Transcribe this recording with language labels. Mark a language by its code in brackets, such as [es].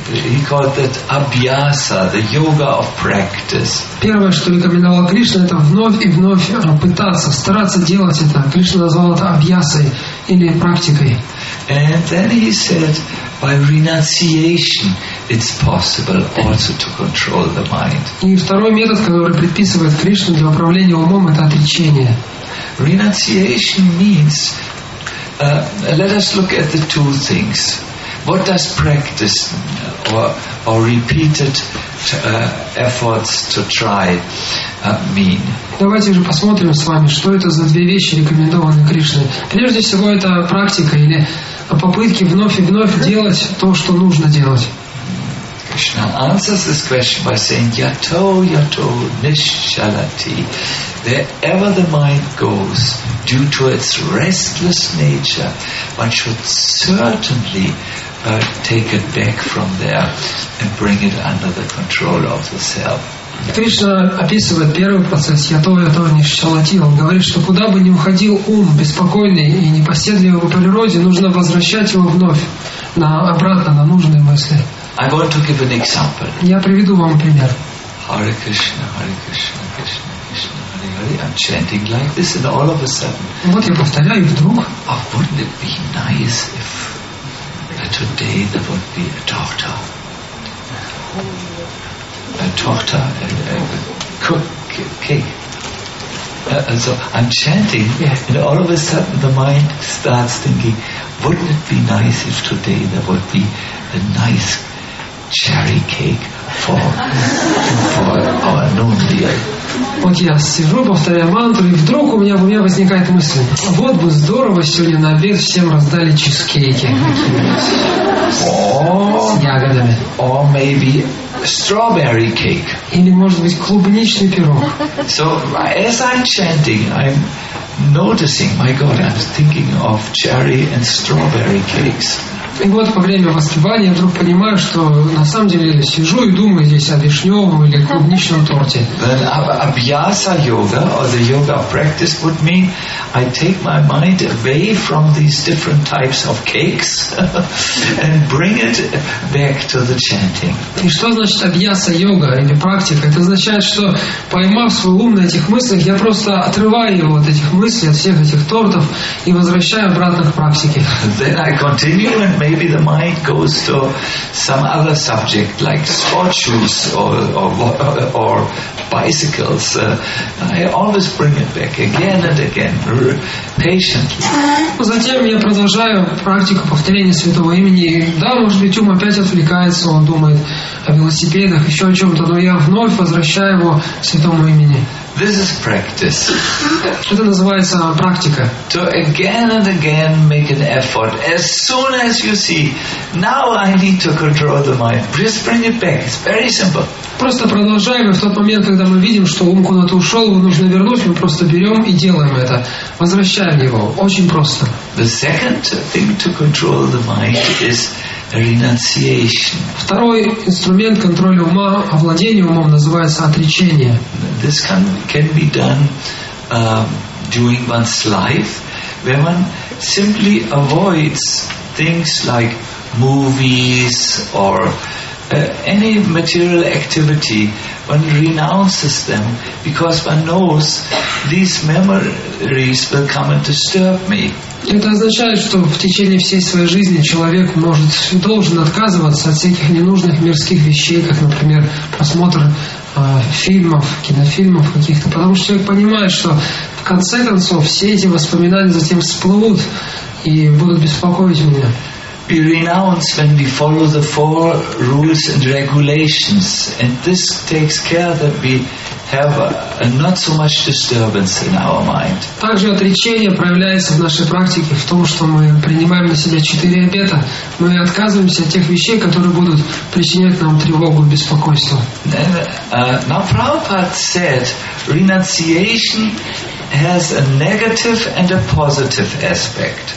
[en] He called that abhyasa, the yoga of practice. [ru] Первое, что рекомендовал Кришна, это вновь и вновь пытаться, стараться делать это. Кришна назвал это абьясой или практикой. [en] And then he said, by renunciation, it's possible also to control the mind. [ru] И второй метод, который предписывает Кришна для управления умом, это отречение. [en] Renunciation means, let us look at the two things. What does practice or repeated efforts to try mean? [ru] Давайте же посмотрим с вами, что это за две вещи, рекомендованные Кришной. Прежде всего, это практика или попытки вновь и вновь делать то, что нужно делать. [en] Krishna answers this question by saying, [sa] yato, yato, nishchalati. [en] Wherever the mind goes, due to its restless nature, one should certainly take it back from there and bring it under the control of the self. [ru] Кришна описывает первый процесс, я то не шалатил. Он говорит, что куда бы ни уходил ум беспокойный и непоседливый в природе, нужно возвращать его вновь, обратно, на нужные мысли. [en] I want to give an example. [ru] Я приведу вам пример. [sa] Hare Krishna, Hare Krishna, Krishna Krishna, Hare Hare. [en] I'm chanting like this and all of a sudden. [ru] Вот я повторяю, вдруг. [en] Oh, wouldn't it be nice if today there would be a daughter? A daughter, a cupcake. So I'm chanting, yeah. And all of a sudden the mind starts thinking, wouldn't it be nice if today there would be a nice cherry cake for our lonely again. [ru] Вот я сижу, повторяю мантру, и вдруг у меня возникает мысль: вот бы здорово сегодня на обед всем раздали чизкейки с ягодами. [en] Or maybe strawberry cake. [ru] Или, может быть, клубничный пирог. [en] So as I'm chanting, I'm noticing, my God, I'm thinking of cherry and strawberry cakes. [ru] И вот во время воспевания я вдруг понимаю, что на самом деле я сижу и думаю здесь о вишневом или клубничном торте. [en] Abhyasa yoga or the yoga practice would mean I take my mind away from these different types of cakes and bring it back to the chanting. [ru] И что значит абьяса йога или практика? Это означает, что поймав свой ум на этих мыслях, я просто отрываю его от этих мыслей, от всех этих тортов и возвращаю обратно к практике. [en] Then I continue and maybe the mind goes to some other subject, like sport shoes or bicycles. I always bring it back again and again, patiently. [ru] Затем я продолжаю практику повторения святого имени. Да, может быть, ум опять отвлекается, он думает о велосипедах, еще о чем-то, но я вновь возвращаю его к святому имени. [en] This is practice. [ru] Это называется практика. [en] To again and again make an effort. As soon as you see, now I need to control the mind. Just bring it back. It's very simple. [ru] Просто продолжаем, и в тот момент, когда мы видим, что ум куда-то ушел, его нужно вернуть, мы просто берем и делаем это. Возвращаем его. Очень просто. [en] The second thing to control the mind is renunciation. [ru] Второй инструмент контроля ума, овладения умом, называется отречение. [en] This can be done during one's life, where one simply avoids things like movies or any material activity. One renounces them because one knows these memories will come and disturb me. [ru] Это означает, что в течение всей своей жизни человек может должен отказываться от всяких ненужных мирских вещей, как, например, просмотр фильмов, кинофильмов каких-то, потому что человек понимает, что в конце концов все эти воспоминания затем всплывут и будут беспокоить меня. [en] We renounce when we follow the four rules and regulations, and this takes care that we have not so much disturbance in our mind. [ru] Также отречение проявляется в нашей практике в том, что мы принимаем на себя четыре обета. Мы отказываемся от тех вещей, которые будут причинять нам тревогу и беспокойство. [en] Now Prabhupada said, renunciation has a negative and a positive aspect.